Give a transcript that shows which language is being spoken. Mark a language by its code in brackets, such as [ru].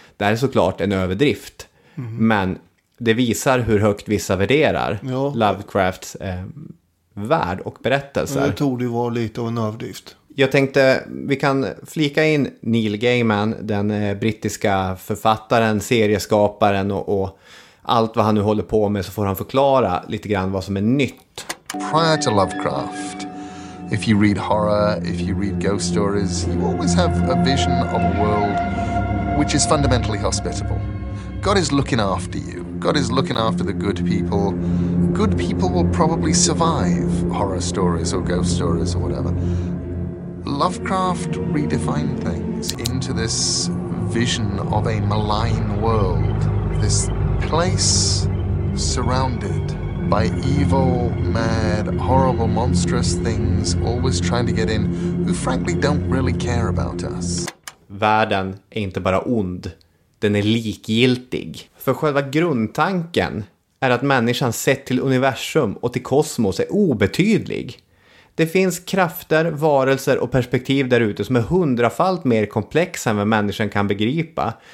[sv] Det är såklart en överdrift, men det visar hur högt vissa värderar Lovecrafts värld och berättelser. Det tog det var lite av en överdrift. Jag tänkte, vi kan flika in Neil Gaiman, den brittiska författaren, serieskaparen och allt vad han nu håller på med, så får han förklara lite grann vad som är nytt. [en] Prior to Lovecraft, if you read horror, if you read ghost stories, you always have a vision of a world which is fundamentally hospitable. God is looking after you. God is looking after the good people. Good people will probably survive horror stories or ghost stories or whatever. Lovecraft redefined things into this vision of a malign world. This place surrounded by evil, mad, horrible, monstrous things always trying to get in who frankly don't really care about us. [sv] Världen är inte bara ond. Den är likgiltig. För själva grundtanken är att människan sett till universum och till kosmos är obetydlig. Det finns krafter, varelser och perspektiv där ute som är hundrafalt mer komplexa än vad människan kan begripa.